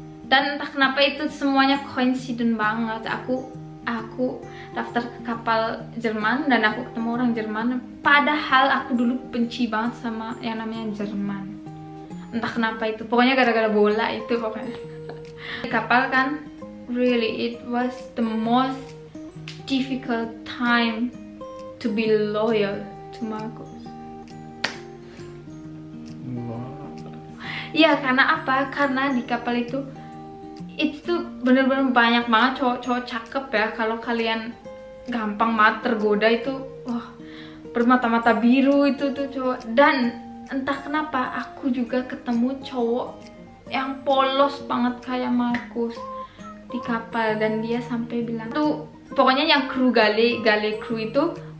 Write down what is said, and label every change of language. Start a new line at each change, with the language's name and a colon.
Indonesian: Dan entah kenapa itu semuanya coincidence banget. Aku daftar ke kapal Jerman dan aku ketemu orang Jerman. Padahal aku dulu benci banget sama yang namanya Jerman. Entah kenapa itu, pokoknya gara-gara bola itu pokoknya. Di kapal kan,
English: really it was the most difficult time to be loyal to Marcus. Wow.
Indonesian: Iya, karena apa? Karena di kapal itu itu tuh bener-bener banyak banget cowok-cowok cakep ya. Kalau kalian gampang banget tergoda itu, wah, bermata-mata biru itu tuh cowok. Dan entah kenapa aku juga ketemu cowok yang polos banget kayak Markus di kapal, dan dia sampai bilang tuh pokoknya yang kru gale kru itu